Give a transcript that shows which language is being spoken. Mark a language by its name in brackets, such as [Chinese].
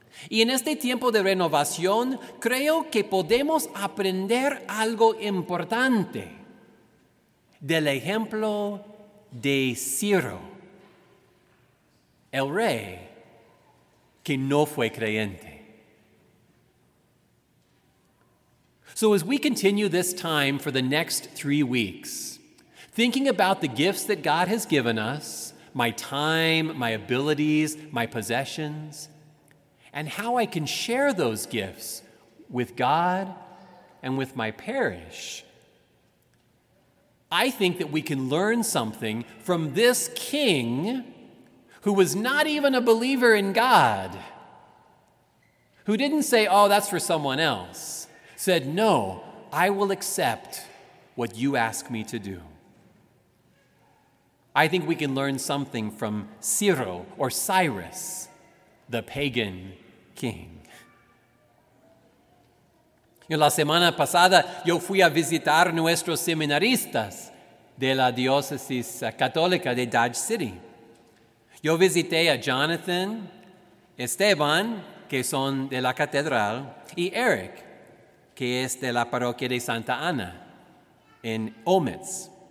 [Spanish] Y en este tiempo de renovación, creo que podemos aprender algo importante del ejemplo de Ciro, el rey que no fue creyente. [English] So as we continue this time for the next 3 weeks, thinking about the gifts that God has given us, my time, my abilities, my possessions, and how I can share those gifts with God and with my parish, I think that we can learn something from this king who was not even a believer in God, who didn't say, oh, that's for someone else, said, no, I will accept what you ask me to do. I think we can learn something from Ciro, or Cyrus, the pagan king. [Spanish] La semana pasada, yo fui a visitar nuestros seminaristas de la diócesis católica de Dodge City. Yo visité a Jonathan, Esteban, que son de la catedral, y Eric, que es de la parroquia de Santa Ana, en Olmitz.